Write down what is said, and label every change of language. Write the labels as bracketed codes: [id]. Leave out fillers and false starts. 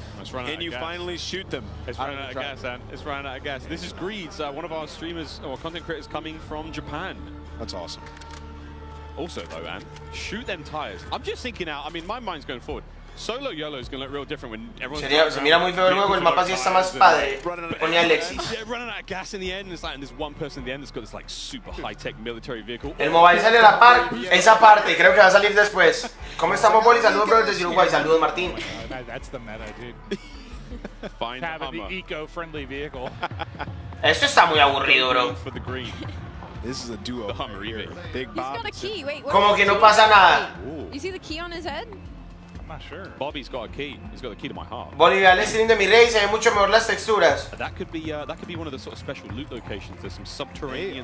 [en] Can you finally shoot them? It's running out of gas. This is Greed, one of our streamers or content creators coming from Japan. That's awesome. Also, though, man, shoot them tires. I'm just thinking out. I mean, my mind's going forward. Solo Yolo is going to look real different when everyone's. [es] Se mira muy feo el juego. El mapa sí está más padre. Pone Alexis. [en] Yeah, running out of gas in the end. It's like, and there's one person in the end that's got this like super high-tech military vehicle. [es] El mobile sale a la par. Esa parte creo que va a salir después. ¿Cómo estamos, Boli? Saludos, brother, desde Uruguay. Saludos, Martín. [en] That's the meta, dude. Find the eco-friendly vehicle. [es] Esto está muy aburrido, bro. [en] For the green. This is a duo. The Hummer here. Big Bob. He's got a key. Wait. [es] Como que no pasa nada. [en] You see the key on his head? Sure. Bobby's got a key. He's got the key to my heart. [es] Bobby, ve al stream de mi rey, se ve mucho mejor las texturas. [en] That could be one of the sort of special loot locations. There's some subterranean.